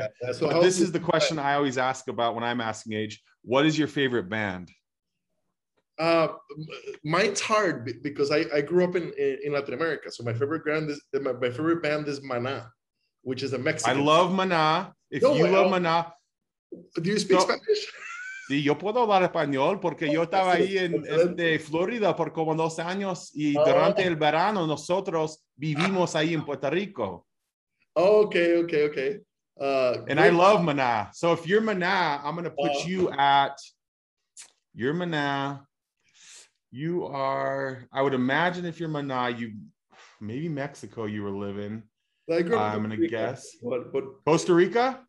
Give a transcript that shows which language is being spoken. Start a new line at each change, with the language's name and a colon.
English: Yeah, so but this is the question I always ask about when I'm asking age. What is your favorite band? Mine's hard because I grew up in Latin America. So my favorite band is Maná, which is a Mexican. I love Maná. If no, you I love Maná. Do you speak Spanish?
Spanish: Sí, yo puedo hablar español porque yo estaba ahí en Florida por como 2 años y durante el verano nosotros vivimos ahí en Puerto Rico.
English: Okay. And good. I love Maná. So if you're Maná, I'm going to put you at, you're Maná. You are, I would imagine if you're Maná, you maybe Mexico you were living. I'm going to guess. Costa Rica?